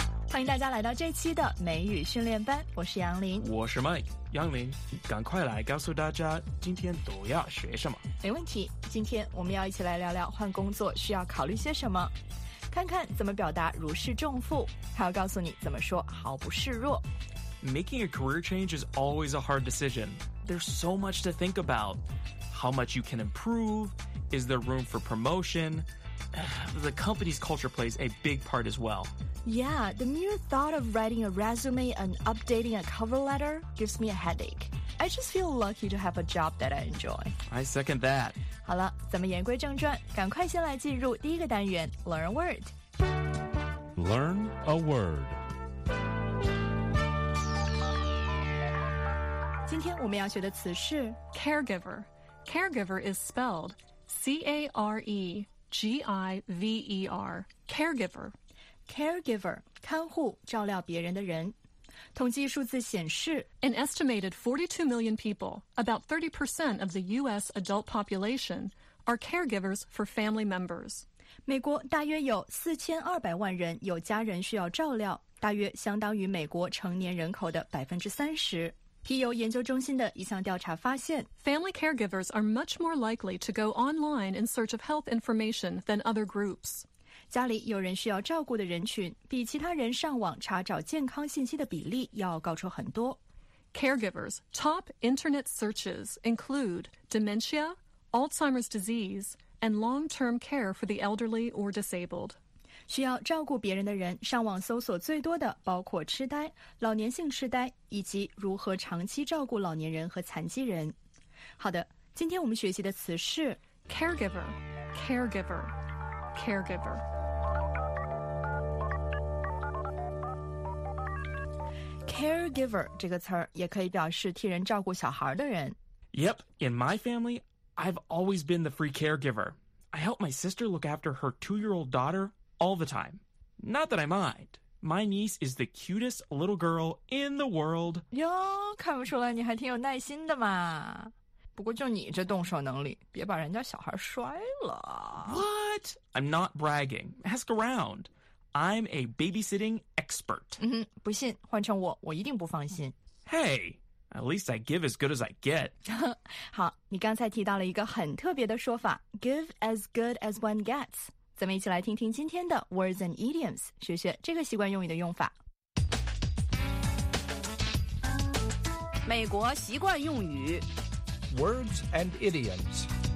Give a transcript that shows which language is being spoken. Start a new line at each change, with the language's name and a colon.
Chinese: 欢迎大家来到这期的美语训练班，我是杨林，我是 Mike。杨林，赶快来告诉大家今天都要学什么。没问题，今天我们要一起来聊聊换工作需要考虑些什么，看看怎么表达如释重负，还要告诉你怎么说毫不示弱。
English: Making a career change is always a hard decision. There's so much to think about. How much you can improve? Is there room for promotion? The company's culture plays a big part as well. Yeah, the mere thought of writing a resume and updating a cover letter gives me a headache. I just feel lucky to have a job that I enjoy. I second that.
Chinese: 好了，咱们言归正传，赶快先来进入第一个单元
English: Learn a Word. Learn a Word.
Chinese: 今天我们要学的词是
English: Caregiver. Caregiver is spelled C-A-R-E-G-I-V-E-R. Caregiver.
Chinese: Caregiver, 看护照料别人的人。统计数字显示
English: An estimated 42 million people, about 30% of the U.S. adult population, are caregivers for family members.
Chinese: 美国大约有4200万人有家人需要照料，大约相当于美国成年人口的 30%。皮尤研究中心的一项调查发现
English: Family caregivers are much more likely to go online in search of health information than other groups.
Chinese: 家里有人需要照顾的人群比其他人上网查找健康信息的比例要高出很多。
English: Caregivers, top internet searches include dementia, Alzheimer's disease, and long-term care for the elderly or disabled.
Chinese: 需要照顾别人的人上网搜索最多的包括痴呆、老年性痴呆以及如何长期照顾老年人和残疾人。好的，今天我们学习的词是
English: Caregiver, caregiver. Caregiver.
Chinese: Caregiver 这个词儿也可以表示替人照顾小孩的人。
English: Yep, in my family, I've always been the free caregiver. I help my sister look after her two-year-old daughter all the time. Not that I mind. My niece is the cutest little girl in the world.
Chinese: 哟，看不出来你还挺有耐心的嘛。不过就你这动手能力，别把人家小孩摔了。
English: What? I'm not bragging. Ask around. I'm a babysitting expert.
Chinese: 不信，换成我，我一定不放心。
English: Hey, at least I give as good as I get.
Chinese: 好，你刚才提到了一个很特别的说法 ,
English: give as good as one gets.
Chinese: 咱们一起来听听今天的
English: words and idioms,
Chinese: 学学这个习惯用语的用法。美国习惯用语。
English: Words and idioms.